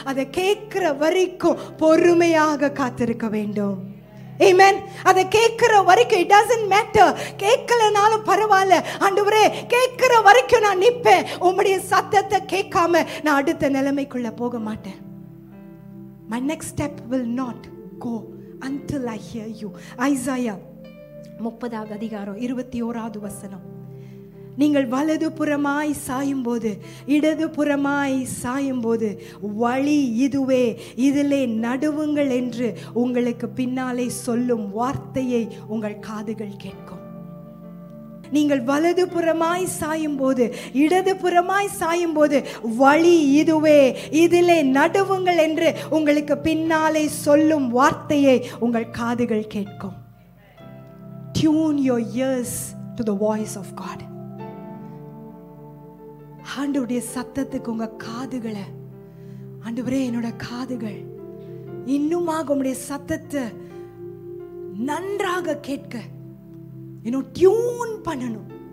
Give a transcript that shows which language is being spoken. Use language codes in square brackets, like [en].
[ta] அதை கேட்கிற வரைக்கும் பொறுமையாக காத்திருக்க வேண்டும். Amen. அதை கேட்கிற வரைக்கும் [en] it doesn't matter. [ta] கேட்கலனாலும் பரவாயில்ல ஆண்டவரே, கேட்கிற வரைக்கும் நான் நிற்பேன். உம்முடைய சத்தத்தை கேட்காம நான் அடுத்த நிலைமைக்குள்ள போக மாட்டேன். [en] My next step will not go until I hear you. [ta] Isaiah 30th அதிகாரம் 21st வசனம். நீங்கள் வலது புறமாய் சாயும் போது, இடது புறமாய் சாயும் போது, வழி இதுவே, இதிலே நடுவுங்கள் என்று உங்களுக்கு பின்னாலே சொல்லும் வார்த்தையை உங்கள் காதுகள் கேட்கும். நீங்கள் வலது புறமாய் சாயும் போது, இடது புறமாய் சாயும் போது, வழி இதுவே, இதிலே நடுவுங்கள் என்று உங்களுக்கு பின்னாலே சொல்லும் வார்த்தையை உங்கள் காதுகள் கேட்கும். [en] Tune your ears to the voice of God. [ta] ஆண்டவருடைய சத்தத்துக்கு உங்க காதுகளை, ஆண்டவரே என்னோட காதுகள் இன்னுமாக உம்முடைய சத்தத்தை நன்றாக கேட்க டியூன் பண்ணணும்.